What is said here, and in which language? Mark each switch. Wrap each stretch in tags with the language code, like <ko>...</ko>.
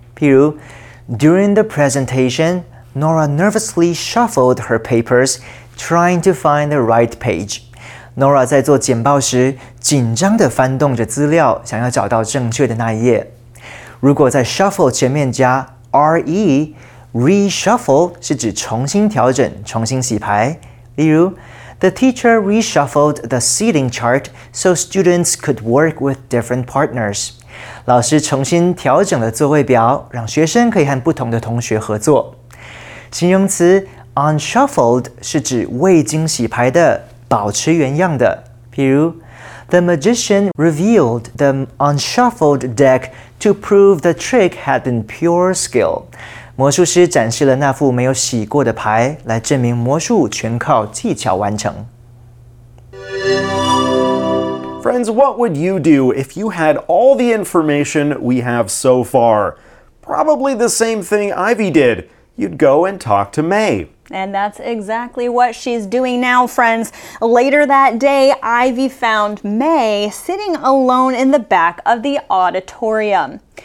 <zh>譬如,</zh> <en>during the presentation, Nora nervously shuffled her papers, trying to find the right page.</en> <zh>Nora 在做简报时, 紧张地翻动着资料, 想要找到正确的那一页。如果在shuffle前面加re, reshuffle是指重新调整,重新洗牌。例如,</zh> <en>the teacher reshuffled the seating chart so students could work with different partners.</en> <zh>老师重新调整了座位表, 让学生可以和不同的同学合作。形容词 unshuffled是指未经洗牌的, 保持原样的。譬如,</zh> <en>the magician revealed the unshuffled deck to prove the trick had been pure skill.</en> <zh>魔术师展示了那副没有洗过的牌, 来证明魔术全靠技巧完成。</zh> <en>Friends, what would you do if you had all the information we have so far? Probably the same thing Ivy did. You'd go and talk to May. And that's exactly what she's doing now, friends. Later that day, Ivy found May sitting alone in the back of the auditorium.</en>